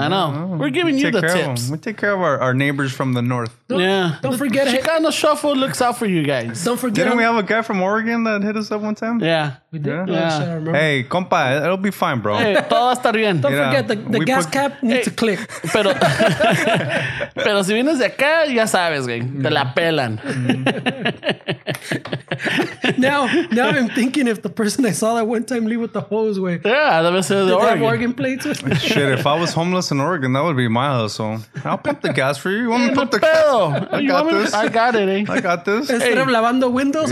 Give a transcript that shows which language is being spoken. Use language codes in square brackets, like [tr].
[en] I know. Oh, we're giving you the tips. We take care of our neighbors from the north. Don't forget. Chicano Shuffle looks out for you guys. Don't forget. Didn't we have a guy from Oregon that hit us up one time? Yeah. We did. Hey, compa, it'll be fine, bro. [es] Hey, todo está bien. [en] Don't forget, the gas cap needs to click. [es] Pero si vienes de acá, ya sabes, güey. Te la pelan. [en] Now I'm thinking if the person I saw that one time leave with the hose, way. Yeah, that was the Oregon plates. Shit, if I was homeless in Oregon, that would be my hustle. I'll pump the gas for you. You want me to pump the pedal? I got this. Instead of lavando windows,